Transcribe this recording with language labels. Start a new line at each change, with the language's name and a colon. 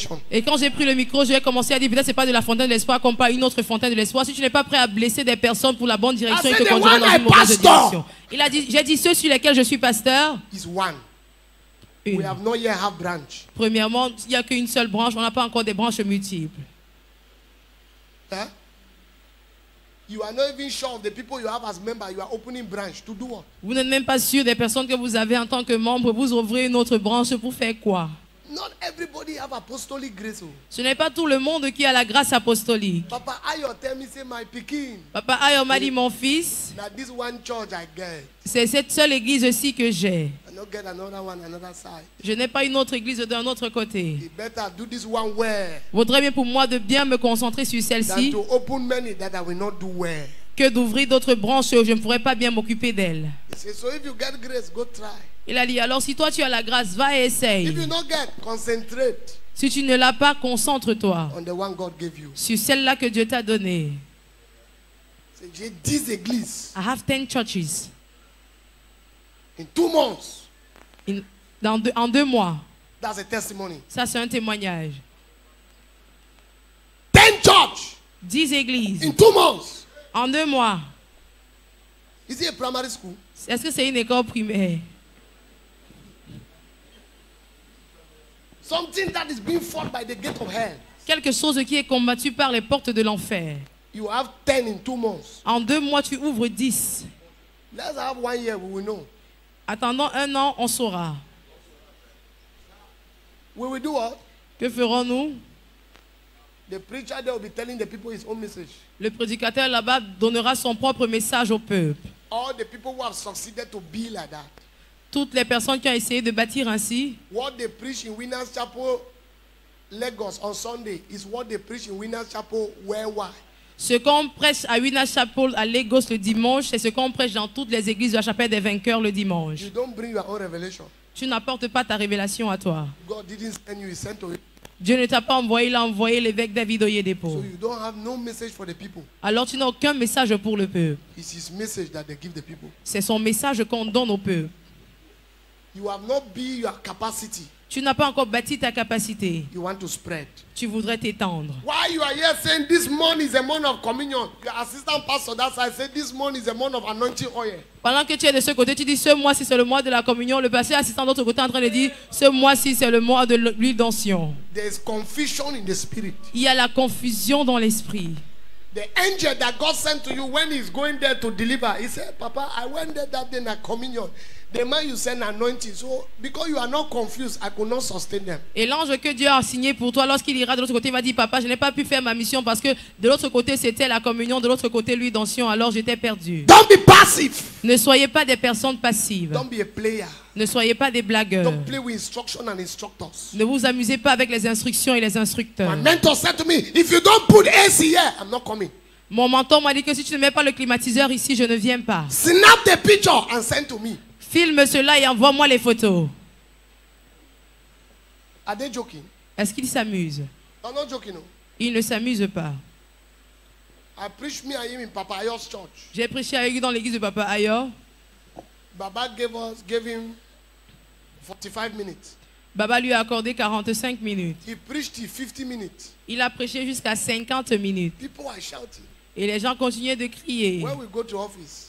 French: Et quand j'ai pris le micro, j'ai commencé à dire, peut-être c'est pas de la fontaine de l'espoir qu'on parle, une autre fontaine de l'espoir. Si tu n'es pas prêt à blesser des personnes pour la bonne direction, il te conduira dans une mauvaise direction. Il a dit, j'ai dit, ceux sur lesquels je suis pasteur,
English: We have not yet have branch.
French: Premièrement, il n'y a qu'une seule branche, on n'a pas encore des branches multiples. Hein?
English: You are not even sure of the people you have as member. You are opening branch to do what?
French: Vous n'êtes même pas sûr des personnes que vous avez en tant que membre. Vous ouvrez une autre branche pour faire quoi?
English: Not everybody have apostolic grace.
French: Ce n'est pas tout le monde qui a la grâce apostolique.
English: Papa Ayo, tell me, say my picking.
French: Papa Ayo m'a dit, mon fils.
English: Now this one church I get.
French: C'est cette seule église aussi que j'ai.
English: I don't get another one, another side.
French: Je n'ai pas une autre église d'un autre côté.
English: It better do this one well.
French: Vaudrait bien pour moi de bien me concentrer sur celle-ci.
English: Than to open many that I will not do well.
French: Que d'ouvrir d'autres branches où je ne pourrais pas bien m'occuper d'elles.
English: He said, so if you get grace, go try.
French: Il a dit, alors si toi tu as la grâce, va et essaye.
English: If you not get, concentrate.
French: Si tu ne l'as pas, concentre-toi.
English: On the one God gave you.
French: Sur celle-là que Dieu t'a donnée. So, j'ai 10 églises.
English: I have 10 churches. In 2 months.
French: En 2 mois.
English: That's a testimony.
French: Ça, c'est un témoignage.
English: 10 churches.
French: 10 églises.
English: In 2 months.
French: En 2 mois.
English: Is it a primary school?
French: Est-ce que c'est une école primaire?
English: Something that is being fought by the gate of hell.
French: Quelque chose qui est combattu par les portes de l'enfer.
English: You have 10 in 2 months.
French: En 2 mois, tu ouvres 10.
English: Let's have 1 year, we will know.
French: Attendons 1 an, on saura.
English: We will do what?
French: Que ferons-nous?
English: The preacher there will be telling the people his own message.
French: Le prédicateur là-bas donnera son propre message au peuple.
English: All the people who have succeeded to be like that.
French: Toutes les personnes qui ont essayé de bâtir ainsi.
English: What they preach in Winners Chapel, Lagos on Sunday is what they preach in Winners Chapel worldwide.
French: Ce qu'on prêche à Winners Chapel à Lagos le dimanche, c'est ce qu'on prêche dans toutes les églises de la chapelle des vainqueurs le dimanche.
English: You don't bring your own revelation.
French: Tu n'apportes pas ta révélation à toi.
English: God didn't send you, he sent to you.
French: Dieu ne t'a pas envoyé, il a envoyé l'évêque David Oyedepo.
English: So you don't have no message for the people.
French: Alors tu n'as aucun message pour le peuple.
English: It's his message that they give the people.
French: C'est son message qu'on donne au peuple.
English: You have not built your capacity.
French: Tu n'as pas encore bâti ta capacité.
English: You want to spread.
French: Tu voudrais t'étendre.
English: Why you are here saying this month is a month of communion? Your assistant pastor that side said this month is a month of anointing oil.
French: Pendant que tu es de ce côté, tu dis ce mois-ci c'est le mois de la communion. Le pasteur assistant de l'autre côté est en train de dire ce mois-ci c'est le mois de l'huile d'onction.
English: There is confusion in the spirit.
French: Il y a la confusion dans l'esprit.
English: The angel that God sent to you when he's going there to deliver, he said, Papa, I went there that day in a communion. The man you sent anointing. So because you are not confused, I could not sustain them.
French: Et l'ange que Dieu a signé pour toi lorsqu'il ira de l'autre côté, il va dire, Papa, je n'ai pas pu faire ma mission parce que de l'autre côté c'était la communion, de l'autre côté lui d'ancien, alors j'étais perdu.
English: Don't be passive.
French: Ne soyez pas des personnes passives.
English: Don't be a player.
French: Ne soyez pas des blagueurs.
English: Don't play with instruction and instructors.
French: Ne vous amusez pas avec les instructions et les instructeurs.
English: My mentor said to me, if you don't put AC here, I'm not coming.
French: Mon mentor m'a dit que si tu ne mets pas le climatiseur ici, je ne viens pas.
English: Snap the picture and send to me.
French: Filme cela et envoie-moi les photos.
English: Are they joking?
French: Est-ce qu'ils s'amusent?
English: No, not joking, no.
French: Ils ne s'amusent pas.
English: I preach me and him in Papa Ayo's church.
French: J'ai prêché avec lui dans l'église de Papa Ayo.
English: Baba gave him 45 minutes.
French: Baba lui a accordé 45 minutes.
English: He preached 50 minutes.
French: Il a prêché jusqu'à 50 minutes.
English: People are shouting.
French: Et les gens continuaient de crier.
English: When we go to office,